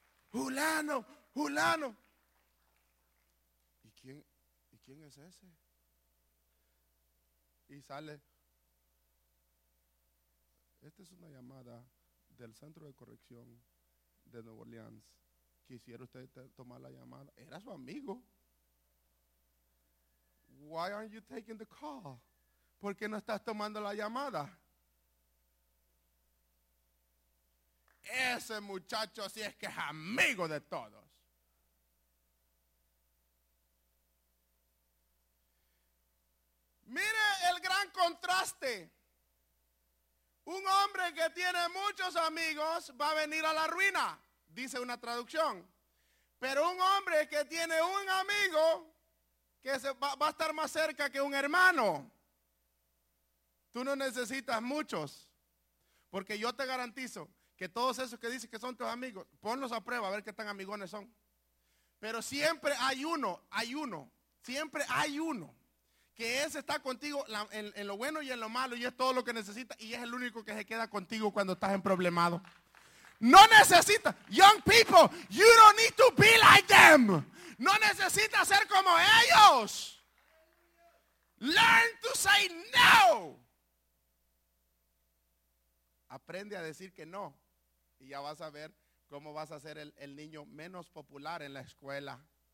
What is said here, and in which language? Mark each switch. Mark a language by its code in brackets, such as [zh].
[es] ¡Julano! ¡Julano! ¿Y quién es ese? Y sale. Esta es una llamada del centro de corrección de Nueva Orleans. ¿Quisiera usted tomar la llamada? Era su amigo. [en] Why aren't you taking the call? [es] ¿Por qué no estás tomando la llamada? Ese muchacho sí es que es amigo de todos. Mire el gran contraste. Un hombre que tiene muchos amigos va a venir a la ruina, dice una traducción. Pero un hombre que tiene un amigo que va a estar más cerca que un hermano. Tú no necesitas muchos, porque yo te garantizo que todos esos que dicen que son tus amigos, ponlos a prueba a ver qué tan amigones son. Pero siempre hay uno, siempre hay uno que ese está contigo en lo bueno y en lo malo, y es todo lo que necesita, y es el único que se queda contigo cuando estás en problemado. No necesitas, [en] young people, you don't need to be like them. [es] No necesitas ser como ellos. [en] Learn to say no. [es] Aprende a decir que no. Y ya vas a ver cómo vas a ser el niño menos popular en la escuela.